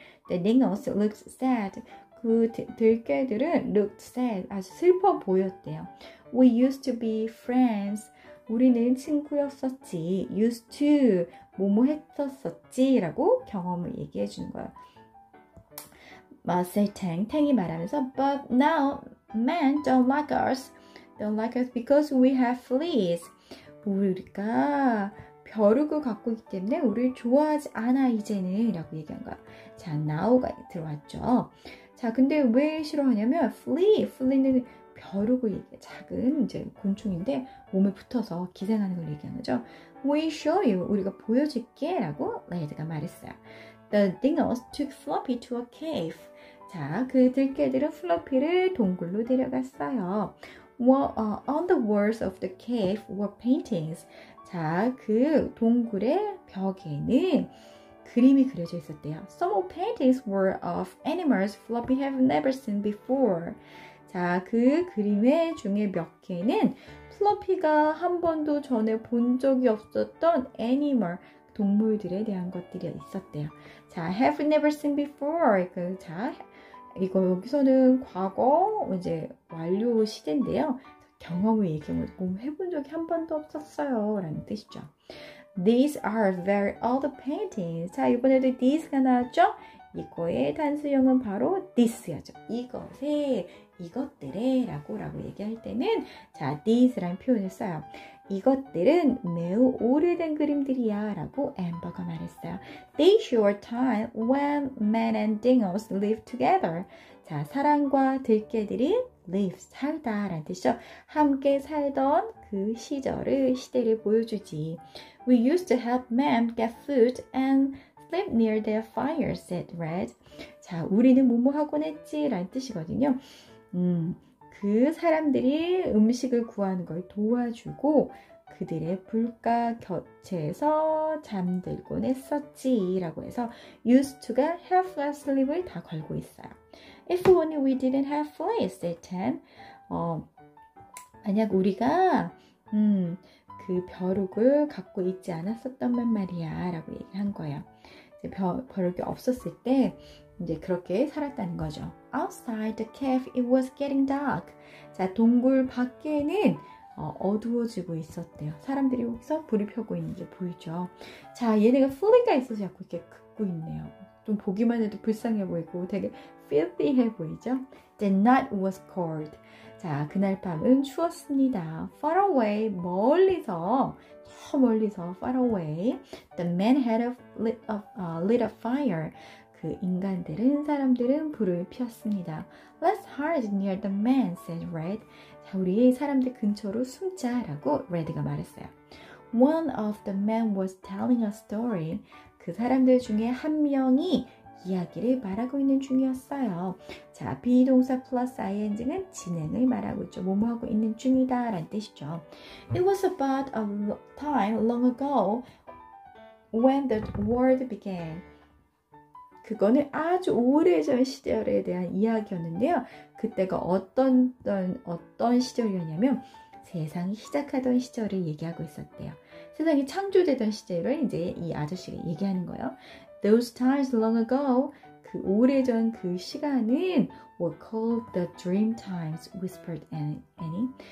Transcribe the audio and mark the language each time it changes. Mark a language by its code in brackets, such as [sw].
[en] The dingoes looked sad. [ko] 그 들개들은 [en] looked sad. [ko] 아주 슬퍼 보였대요. [en] We used to be friends. [ko] 우리는 친구였었지. [en] Used to. [ko] 뭐뭐 했었었지. 라고 경험을 얘기해 주는 거예요. [en] But say Tang. [ko] Tang이 말하면서 [en] But now men don't like us. Don't like us because we have fleas. [ko] 우리가 벼룩을 갖고 있기 때문에 우리를 좋아하지 않아 이제는 라고 얘기한 거예요. 자, now가 들어왔죠. 자, 근데 왜 싫어하냐면 flea는 벼룩을 얘기해. 작은 이제 곤충인데 몸에 붙어서 기생하는 걸 얘기하는 거죠. [en] We show you. [ko] 우리가 보여줄게. 라고 레드가 말했어요. [en] The dingoes took Floppy to a cave. [ko] 자, 그 들개들은 Floppy를 동굴로 데려갔어요. [en] On the walls of the cave were paintings. [ko] 자, 그 동굴의 벽에는 그림이 그려져 있었대요. [en] Some paintings were of animals Floppy had never seen before. [ko] 자, 그 그림의 중에 몇 개는 플로피가 한 번도 전에 본 적이 없었던 애니멀, 동물들에 대한 것들이 있었대요. [en] 자, have never seen before. [ko] 이거 여기서는 과거, 이제 완료 시제인데요. 경험을 얘기하면 꿈 해본 적이 한 번도 없었어요. 라는 뜻이죠. [en] These are very old paintings. [ko] 자, 이번에도 these가 나왔죠? 이거의 단수형은 바로 this였죠. 이것에, 이것들에 라고 얘기할 때는 자, these라는 표현을 써요. 이것들은 매우 오래된 그림들이야 라고 앰버가 말했어요. [en] They show a time when men and dingoes live together. [ko] 자, 사람과 들개들이 live, 살다 라는 뜻이죠. 함께 살던 그 시절을, 시대를 보여주지. [en] We used to help men get food and sleep near their fire, said Red. [ko] 자, 우리는 뭐뭐 하곤 했지 라는 뜻이거든요. 그 사람들이 음식을 구하는 걸 도와주고 그들의 불가 곁에서 잠들곤 했었지 라고 해서 used to가 have a sleep을 다 걸고 있어요. [en] If only we didn't have flies that time. [ko] 만약 우리가 그 벼룩을 갖고 있지 않았었다면 말이야 라고 얘기를 한 거예요. 이제 벼룩이 없었을 때 이제 그렇게 살았다는 거죠. Outside the cave it was getting dark. 자, 동굴 밖에는 어두워지고 있었대요. 사람들이 여기서 불을 펴고 있는지 보이죠. 자, 얘네가 플리가 있어서 자꾸 이렇게 긁고 있네요. 좀 보기만 해도 불쌍해 보이고 되게 filthy해 보이죠. [en] The night was cold. [ko] 자, 그날 밤은 추웠습니다. [en] Far away, [ko] 멀리서, 저 멀리서 [en] far away, the man had lit a fire. [ko] 그 인간들은, 사람들은 불을 피웠습니다. [en] Let's hide near the man, said Red. [ko] 자, 우리 사람들 근처로 숨자, 라고 Red가 말했어요. [en] One of the men was telling a story. [ko] 그 사람들 중에 한 명이 이야기를 말하고 있는 중이었어요. 자, be 동사 플러스 ing는 진행을 말하고 있죠. 뭐뭐하고 있는 중이다 라는 뜻이죠. [en] It was about a time long ago when the world began. [ko] 그거는 아주 오래전 시절에 대한 이야기였는데요. 그때가 어떤 시절이었냐면 세상이 시작하던 시절을 얘기하고 있었대요. 세상이 창조되던 시절을 이제 이 아저씨가 얘기하는 거예요. [en] Those times long ago, [ko] 그 오래전 그 시간은 [en] were called the dream times, whispered Annie.